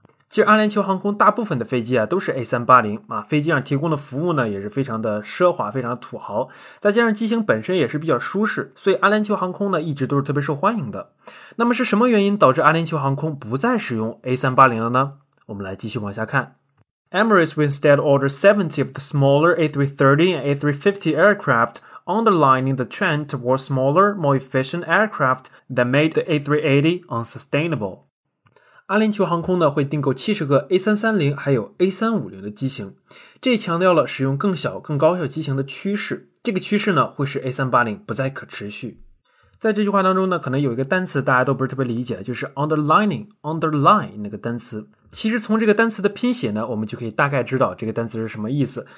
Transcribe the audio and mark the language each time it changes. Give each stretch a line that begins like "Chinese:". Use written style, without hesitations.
Chinese: 其实阿联酋航空大部分的飞机啊都是 A380 啊，飞机上提供的服务呢也是非常的奢华，非常的土豪，再加上机型本身也是比较舒适，所以阿联酋航空呢一直都是特别受欢迎的。那么是什么原因导致阿联酋航空不再使用 A380 了呢？我们来继续往下看。
English: Emirates will instead order 70 of the smaller A330 and A350 aircraft, underlining the trend towards smaller, more efficient aircraft that made the A380 unsustainable.
Chinese: 阿联酋航空呢会订购70个 A330 还有 A350 的机型，这强调了使用更小更高效机型的趋势，这个趋势呢会使 A380 不再可持续。在这句话当中呢可能有一个单词大家都不是特别理解，就是 underline 那个单词，其实从这个单词的拼写呢我们就可以大概知道这个单词是什么意思。